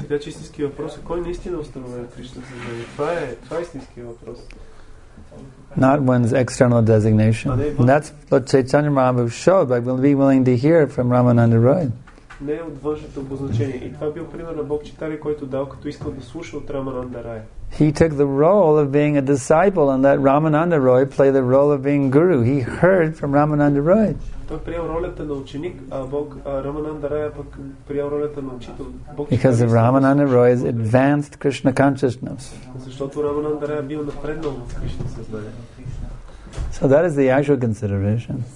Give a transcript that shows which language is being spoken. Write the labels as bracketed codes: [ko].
[bg] Така че истински въпрос е кой наистина установен в Кришна съзнание. Това е истински въпрос. [en] Not one's external designation. And that's what Chaitanya Mahaprabhu showed by being willing to hear from Ramananda Roy. [bg] Не от външното обозначение. И това бил пример на Бог Читари, който дал като искал да слуша от Рамананда Рой. [en] He took the role of being a disciple and let Ramananda Roy play the role of being guru. He heard from Ramananda Roy. [bg] Той приел ролята на ученик, а Бог Рамананда Рой пък приел ролята на учител. [en] Because of Ramananda Roy's advanced Krishna consciousness. [bg] Защото Рамананда Рой бил напреднал в Кришна съзнание. [en] So that is the actual consideration.